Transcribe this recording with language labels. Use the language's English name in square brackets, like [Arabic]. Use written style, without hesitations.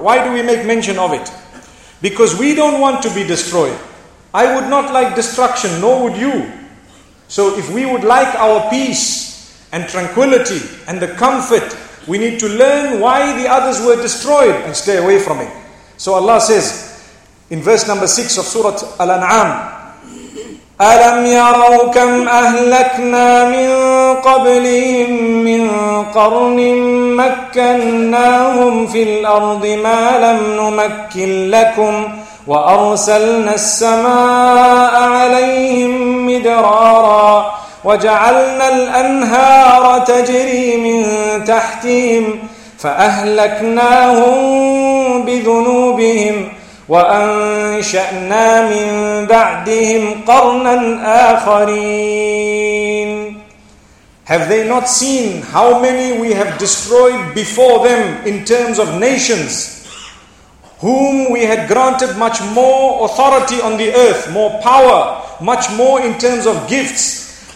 [English] Why do we make mention of it? Because we don't want to be destroyed. I would not like destruction, nor would you. So if we would like our peace and tranquility and the comfort, we need to learn why the others were destroyed and stay away from it. So Allah says in verse number 6 of Surah Al-An'am, [Arabic] أَلَمْ يَرَوْا كَمْ أَهْلَكْنَا مِنْ قَبْلِهِمْ مِنْ قَرْنٍ مَكَّنَّاهُمْ فِي الْأَرْضِ مَا لَمْ نُمَكِّنْ لَكُمْ وَأَرْسَلْنَا السَّمَاءَ عَلَيْهِمْ مِدْرَارًا وَجَعَلْنَا الْأَنْهَارَ تَجْرِي مِنْ تَحْتِهِمْ فَأَهْلَكْنَاهُمْ بِذُنُوبِهِمْ وَأَنْشَأْنَا مِنْ بَعْدِهِمْ قَرْنًا آخَرِينَ. [English] Have they not seen how many we have destroyed before them in terms of nations, whom we had granted much more authority on the earth, more power, much more in terms of gifts.